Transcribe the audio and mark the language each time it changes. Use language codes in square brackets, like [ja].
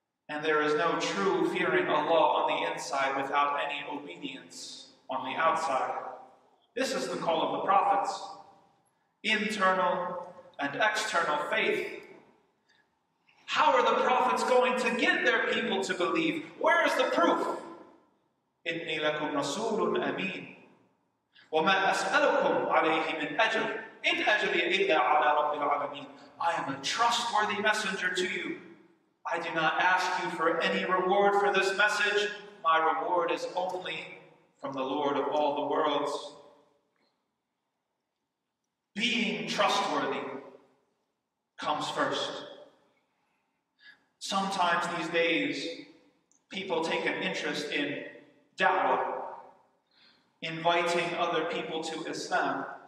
[en] And there is no true fearing Allah on the inside without any obedience on the outside. This is the call of the prophets. Internal and external faith. How are the prophets going to get their people to believe? Where is the proof? [ar] إِنِّي لَكُمْ رَسُولٌ أَمِينٌ وَمَا أَسْأَلُكُمْ عَلَيْهِ مِنْ أَجْرٍ إِنْ أَجْرِيَ إِلَّا عَلَى رَبِّ الْعَالَمِينَ [en] I am a trustworthy messenger to you. I do not ask you for any reward for this message. My reward is only from the Lord of all the worlds. Being trustworthy comes first. Sometimes these days, people take an interest in da'wah, inviting other people to Islam.